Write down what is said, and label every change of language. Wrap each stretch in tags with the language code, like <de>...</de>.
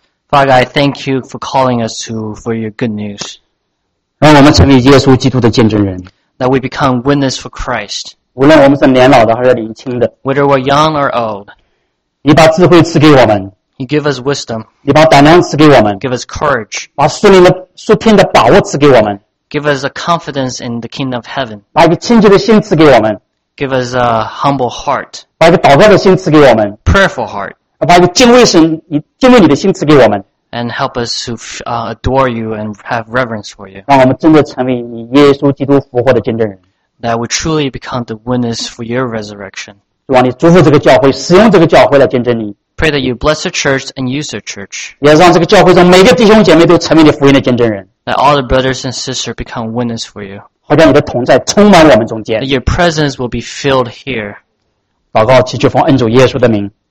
<en>Father, I thank you for calling us for your good news.</en> <zh>让我们成为耶稣基督的见证人。</zh> <en>That we become witness for Christ.</en> <zh>无论我们是年老的还是年轻的。</zh> <en>Whether we're young or old.</en> <zh>你把智慧赐给我们。</zh> <en>You give us wisdom.</en> <zh>你把胆量赐给我们。</zh> <en>Give us courage.</en> <zh>把属天的把握赐给我们。</zh> <en>Give us a confidence in the kingdom of heaven.</en> <zh>把一个谦卑的心赐给我们。</zh> <en>Give us a humble heart.</en> <zh>把一个祷告的心赐给我们。</zh> <en>Prayerful heart.</en> <zh>把一个敬畏神、敬畏你的心赐给我们</zh> <en>，and help us to adore you and have reverence for you.</en> <zh>让我们真的成为你耶稣基督复活的见证人。</zh> <en>That we truly become the witness for your resurrection.</en> <zh>主啊，你祝福这个教会，使用这个教会来见证你。</zh> <en>Pray that you bless the church and use the church.</en> <zh>也让这个教会中每个弟兄姐妹都成为你福音的见证人。</zh> <en>That all the brothers and sisters become witness for you.</en> <zh>好让你的同在充满我们中间。</zh> <en>That your presence will be filled here.</en> <zh>祷告祈求奉恩主耶稣的名。</zh>